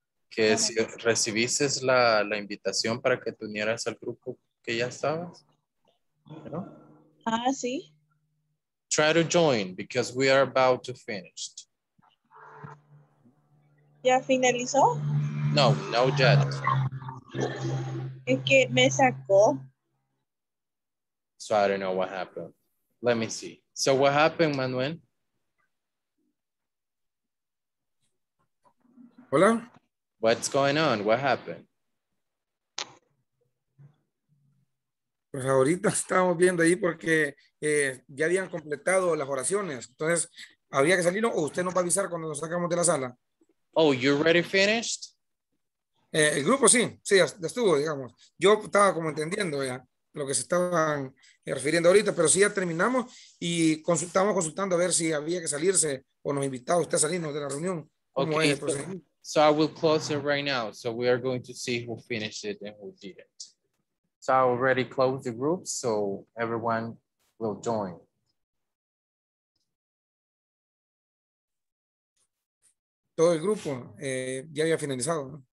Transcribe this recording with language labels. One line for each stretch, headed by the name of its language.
Spanish: ¿Que si recibiste la invitación para que te unieras al grupo que ya estabas? ¿No? Ah, sí.
English: Try to join because we are about to finish.
Spanish: ¿Ya finalizó?
English: No, no yet.
Spanish: Es que me sacó.
English: So I don't know what happened. Let me see. So what happened, Manuel?
Spanish: Hola.
English: What's going on? What happened?
Spanish: Pues ahorita estamos viendo ahí porque ya habían completado las oraciones. Entonces, ¿había que salir o usted nos va a avisar cuando nos sacamos de la sala?
English: Oh, you're already finished?
Spanish: El grupo sí, sí, ya estuvo, digamos. Yo estaba como entendiendo ya lo que se estaban refiriendo ahorita, pero sí ya terminamos y consultando a ver si había que salirse o nos invitaba usted a salirnos de la reunión.
English: Okay, so I will close it right now. So we are going to see who finished it and who didn't. So I already closed the group, so everyone will join.
Spanish: Todo el grupo ya había finalizado, ¿no?